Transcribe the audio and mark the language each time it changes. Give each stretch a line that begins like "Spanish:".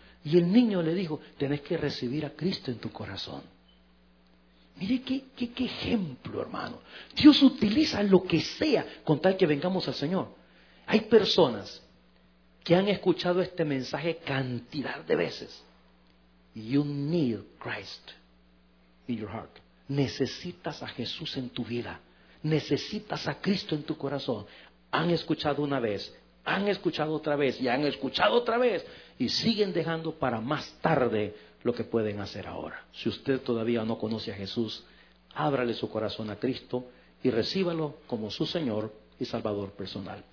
Spanish: Y el niño le dijo, tenés que recibir a Cristo en tu corazón. Mire qué ejemplo, hermano. Dios utiliza lo que sea con tal que vengamos al Señor. Hay personas que han escuchado este mensaje cantidad de veces.
English: You need Christ in your heart.
Spanish: Necesitas a Jesús en tu vida. Necesitas a Cristo en tu corazón. Han escuchado una vez, han escuchado otra vez y han escuchado otra vez. Y siguen dejando para más tarde lo que pueden hacer ahora. Si usted todavía no conoce a Jesús, ábrale su corazón a Cristo y recíbalo como su Señor y Salvador personal.